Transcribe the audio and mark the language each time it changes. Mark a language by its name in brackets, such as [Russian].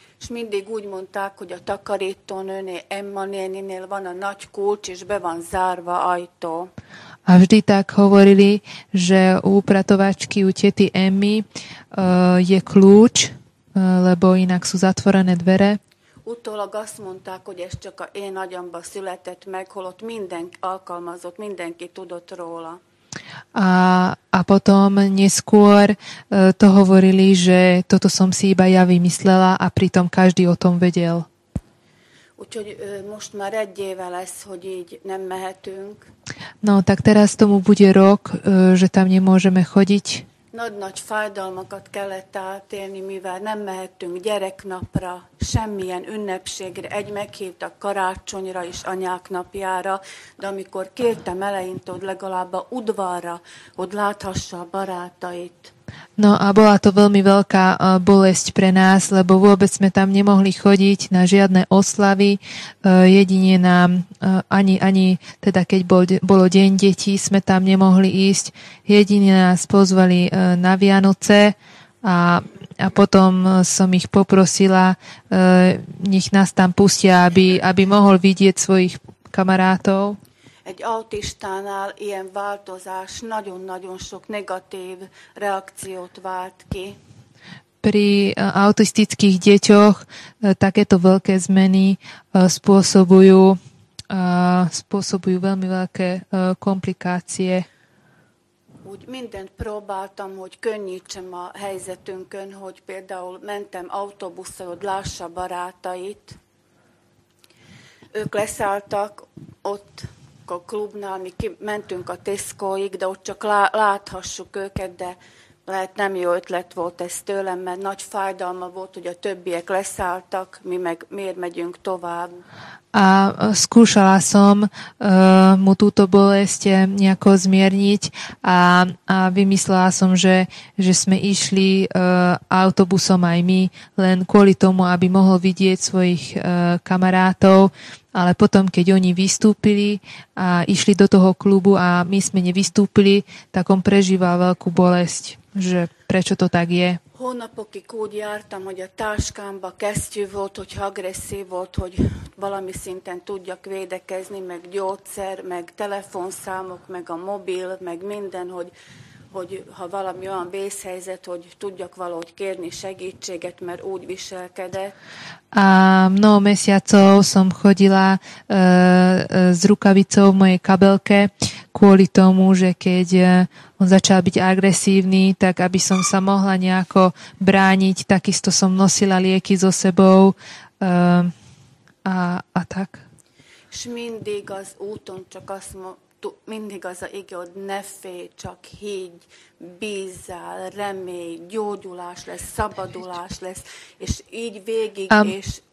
[Hungarian] És mindig úgy mondták, hogy a takarítónőné Emma néninél van a nagy kulcs, és be van zárva ajtó. [Slovak] A vždy tak hovorili, že u upratovačky u tety Emmy je kľúč, lebo inak sú zatvorené dvere. [Hungarian] Utólag azt mondták, hogy ez csak a én agyamba született meg, holott minden alkalmazott, mindenki tudott róla. [Slovak] A potom neskôr to hovorili, že toto som si iba ja vymyslela a pritom každý o tom vedel. [Hungarian] Úgyhogy most már egy éve lesz, hogy így nem mehetünk. [Slovak] No, tak teraz tomu bude rok, že tam nemôžeme chodiť. [Hungarian] Nagy-nagy fájdalmakat kellett átélni, mivel nem mehettünk gyereknapra, semmilyen ünnepségre, egy meghívtak karácsonyra és anyák napjára, de amikor kértem eleinte, hogy legalább a udvarra, hogy láthassa a barátait. [Slovak] No a bola to veľmi veľká bolesť pre nás, lebo vôbec sme tam nemohli chodiť na žiadne oslavy, jedine nám, ani teda keď bolo deň detí, sme tam nemohli ísť, jedine nás pozvali na Vianoce a potom som ich poprosila, nech nás tam pustia, aby mohol vidieť svojich kamarátov. [Hungarian] Egy autistánál ilyen változás nagyon-nagyon sok negatív reakciót vált ki. [Slovak] Pri autistických deťoch takéto veľké zmeny spôsobujú veľmi veľké komplikácie. [Hungarian] Úgy mindent próbáltam, hogy könnyítsem a helyzetünkön, hogy például mentem autóbusszal, hogy lássa barátait. Ők leszálltak ott a klubnál, mi mentünk a Tesco-ig, de ott csak láthassuk őket, de lehet nem jó ötlet volt ez tőlem, mert nagy fájdalma volt, hogy a többiek leszálltak, mi meg miért megyünk tovább. [Slovak] A skúšala som mu túto bolesť nejako zmierniť a vymyslela som, že sme išli autobusom aj my, len kvôli tomu, aby mohol vidieť svojich kamarátov, ale potom, keď oni vystúpili a išli do toho klubu a my sme nevystúpili, tak on prežíval veľkú bolesť, že prečo to tak je. [Hungarian] Hónapokig úgy jártam, hogy a táskámba kesztyű volt, hogyha agresszív volt, hogy valami szinten tudjak védekezni, meg gyógyszer, meg telefonszámok, meg a mobil, meg minden, hogy ha valami olyan vészhelyzet, hogy tudjak valahogy kérni segítséget, mert úgy viselkedett. [Slovak] A mnoho mesiacov som chodila s rukavicou v mojej kabelke, kvôli tomu, že keď on začal byť agresívny, tak aby som sa mohla nejako brániť, takisto som nosila lieky so sebou a tak. [Hungarian] És mindig az úton csak azt mindig az a ige, hogy ne félj, csak higgy, bízzál, remélj, gyógyulás lesz, szabadulás lesz, és így végig, és...